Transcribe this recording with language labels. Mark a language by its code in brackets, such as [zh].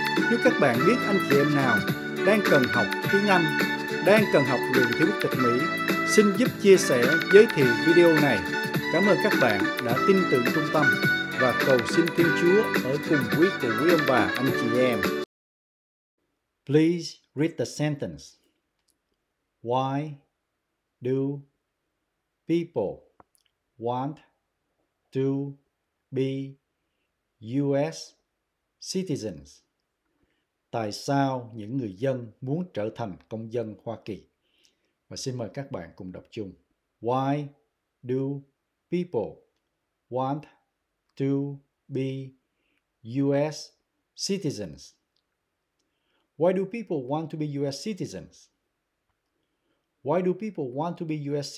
[vi] Nếu các bạn biết anh chị em nào đang cần học tiếng Anh, đang cần học luyện tiếng quốc tịch Mỹ, xin giúp chia sẻ, giới thiệu video này. Cảm ơn các bạn đã tin tưởng trung tâm và cầu xin Thiên Chúa ở cùng quý cụ, quý ông bà, anh chị em. [en] Please read the sentence. Why do people want to be U.S. citizens? [vi] Tại sao những người dân muốn trở thành công dân Hoa Kỳ? Và xin mời các bạn cùng đọc chung. [en] Why do people want to be U.S. citizens? Why do people want to be U.S. citizens? Why do people want to be U.S.